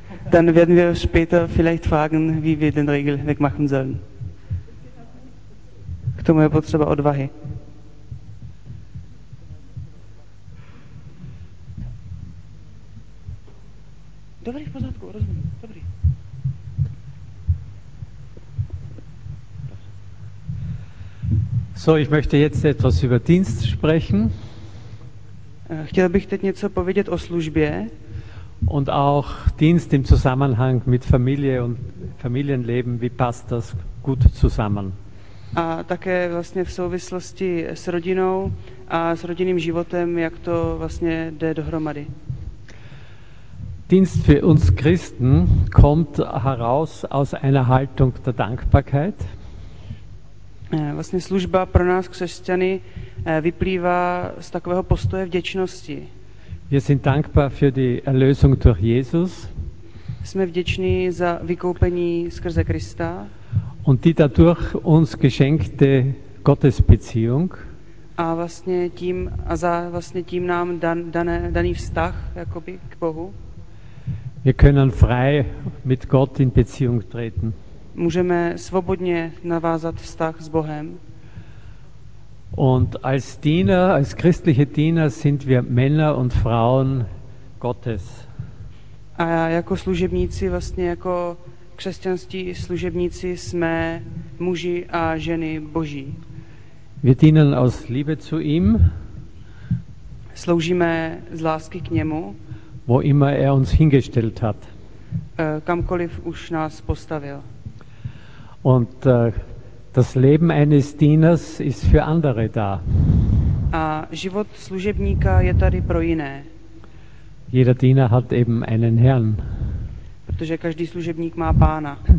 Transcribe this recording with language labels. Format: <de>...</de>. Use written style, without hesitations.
<de>Dann werden wir später vielleicht fragen, wie wir den Riegel wegmachen sollen.</de> <cs>K tomu je potřeba odvahy. Dobrý, v pořádku, rozumím. Dobrý.</cs> <de>So, ich möchte jetzt etwas über Dienst sprechen.</de> <cs>Chtěl bych teď něco povědět o službě.</cs> <de>Und auch Dienst im Zusammenhang mit Familie und Familienleben, wie passt das gut zusammen?</de> <cs>A také vlastně v souvislosti s rodinou a s rodinným životem, jak to vlastně jde dohromady.</cs> <de>Dienst für uns Christen kommt heraus aus einer Haltung der Dankbarkeit.</de> <cs>Vlastně služba pro nás křesťany vyplývá z takového postoje vděčnosti.</cs> <de>Wir sind dankbar für die Erlösung durch Jesus.</de> <cs>Jsme vděční za vykoupení skrze Krista.</cs> <de>Und die dadurch uns geschenkte Gottesbeziehung.</de> <cs>A vlastně tím a za vlastně tím nám daný vztah jakoby k Bohu.</cs> <de>Wir können frei mit Gott in Beziehung treten.</de> <cs>Můžeme svobodně navázat vztah s Bohem.</cs> <de>Und als Diener, als christliche Diener sind wir Männer und Frauen Gottes.</de> <cs>A jako služebníci, vlastně jako křesťanští služebníci jsme muži a ženy Boží.</cs> <de>Wir dienen aus Liebe zu ihm.</de> <cs>Sloužíme z lásky k němu.</cs> <de>Wo immer er uns hingestellt hat.</de> <cs>Kamkoliv už nás postavil.</cs> <de>Und das Leben eines Dieners ist für andere da.</de> <cs>A život služebníka je tady pro jiné.</cs> <de>Jeder Diener hat eben einen Herrn.</de> <cs>Protože každý služebník má pána.</cs>